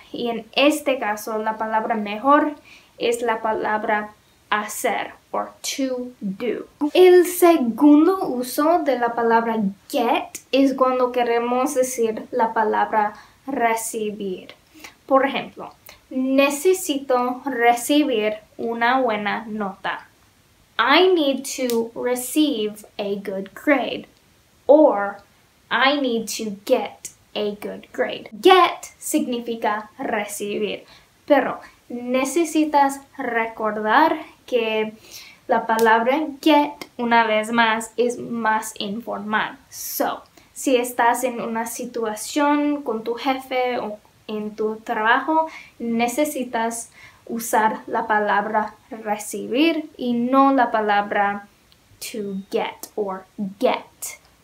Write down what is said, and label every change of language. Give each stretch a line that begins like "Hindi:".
Spanish: Y en este caso, la palabra mejor es la palabra hacer,
English: or to do.
Spanish: El segundo uso de la palabra get es cuando queremos decir la palabra recibir. Por ejemplo, necesito recibir una buena nota.
English: I need to receive a good grade. Or, I need to get a good grade.
Spanish: Get significa recibir, pero necesitas recordar que la palabra get, una vez más, es más informal. So, si estás en una situación con tu jefe o en tu trabajo, necesitas usar la palabra recibir y no la palabra
English: to get or get.